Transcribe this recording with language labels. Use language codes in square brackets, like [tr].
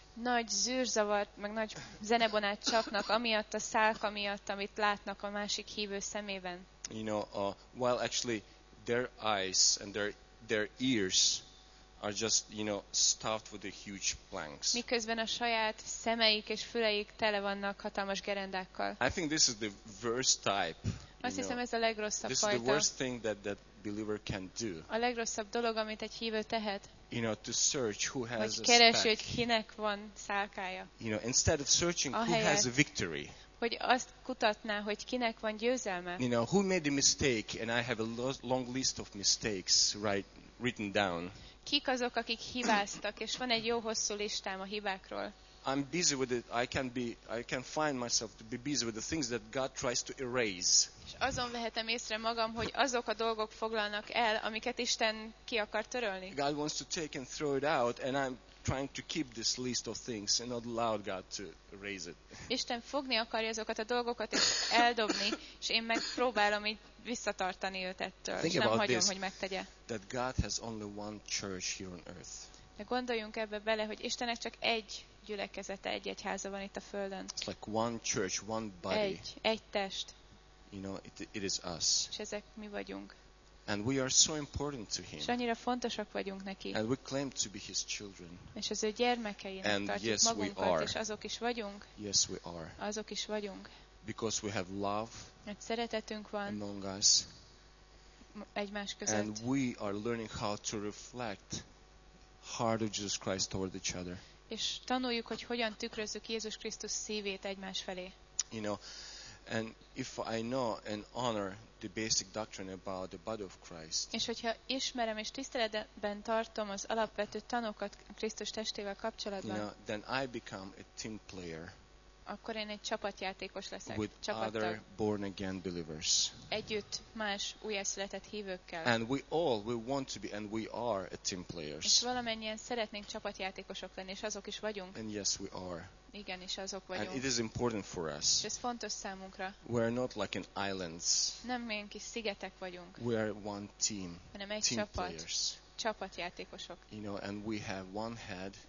[hu] Nagy zűrzavart, meg nagy zenebonát csapnak amiatt a szálka miatt, amit látnak a másik hívő szemében. [en] You know, while actually their eyes and their ears are just, you know, stuffed with the huge planks. [hu] Miközben a saját szemeik és füleik tele vannak hatalmas gerendákkal. [en] I think this is the worst type. [hu] Azt hiszem, ez a legrosszabb [en] this [hu] fajta. [en] This is the worst thing that believer can do. [hu] A legrosszabb dolog, amit egy hívő tehet. [en] You know, to search who has [hu] a keresi, hogy kinek van szálkája. [en] You know, instead of searching [hu] ahelyett, [en] who has a victory. [hu] Hogy azt kutatná, hogy kinek van győzelme. [en] You know, who made a mistake and I have a long list of mistakes right written down. [hu] Kik azok, akik hibáztak, és van egy jó hosszú listám a hibákról. [en] I'm busy with it. I can find myself to be busy with the things that God tries to erase. [hu] És azon vehetem észre magam, hogy azok a dolgok foglalnak el, amiket Isten ki akar törölni. [en] God wants to take and throw it out, and I'm trying to keep this list of things and not allow God to erase it. [hu] Isten fogni akarja azokat a dolgokat és eldobni, és én megpróbálom így visszatartani őt ettől, és nem hagyom, [en] this, [hu] hogy megtegye. [en] That God has only one church here on earth. [hu] De gondoljunk ebbe bele, hogy Istennek csak egy gyülekezete, egy egyháza van itt a földön. [en] It's like one church, one body. [hu] Egy test. [en] You know, it is us. [hu] És ezek mi vagyunk. [en] And we are so important to him. [hu] És annyira fontosak vagyunk neki. [en] And we claim to be his children. [hu] És az ő gyermekeinek [en] and [hu] tartjuk [en] yes, [hu] magunkat, [en] we are. [hu] És azok is vagyunk. [en] Yes, we are. [hu] Azok is vagyunk. [en] Because we have love. [hu] Mert szeretetünk van. [en] Among us. [hu] Egymás között. [en] And we are learning how to reflect heart of Jesus Christ toward each other. [hu] És tanuljuk, hogy hogyan tükrözzük Jézus Krisztus szívét egymás felé. [en] You know, and if I know and honor the basic doctrine about the body of Christ. [hu] És hogyha ismerem és tiszteletben tartom az alapvető tanokat Krisztus testével kapcsolatban. [en] You know, then I become a team player. [hu] Akkor én egy csapatjátékos leszek. [en] With [hu] csapattal. [en] Other born again believers. [hu] Együtt más újjászületett hívőkkel. [en] And we want to be and we are a team players. [hu] És valamennyien szeretnénk csapatjátékosok lenni, és azok is vagyunk. [en] And yes, we are. [hu] Igen, és azok vagyunk. [en] And it is important for us. [hu] És ez fontos számunkra. [en] We are not like an islands. [hu] Nem ilyen kis szigetek vagyunk. [en] We are one team. [hu] Hanem egy [en] team [hu] csapat. [en] Players. [hu] Csapatjátékosok. [en] You know, and we have one head,